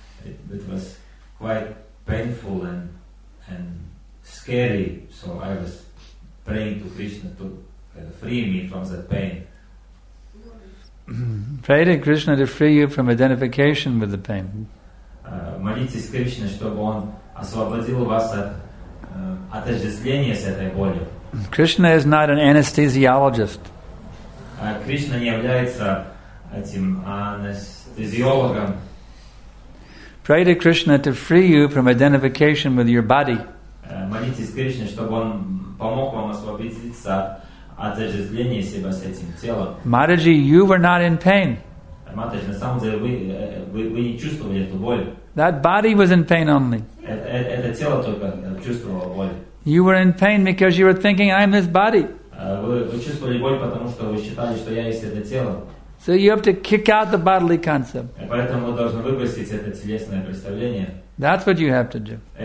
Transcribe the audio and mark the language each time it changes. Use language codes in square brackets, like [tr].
[en] It was quite painful and scary. So I was praying to Krishna to free me from that pain. Pray to Krishna to free you from identification with the pain. [ru] Молитесь Кришне, чтобы он освободил вас от отождествления с этой болью. [en] Krishna is not an anesthesiologist. [ru] Krishna не является этим анестезиологом. [en] Pray to Krishna to free you from identification with your body. [ru] Молитесь Кришне, чтобы он помог вам освободиться от отождествления себя с этим телом. [en] Mataji, you were not in pain. [ru] Mataji, на самом деле вы не чувствовали эту боль. [en] That body was in pain only. [ru] Это тело только чувствовало боль. [en] You were in pain because you were thinking, I am this body. So you have to kick out the bodily concept. That's what you have to do.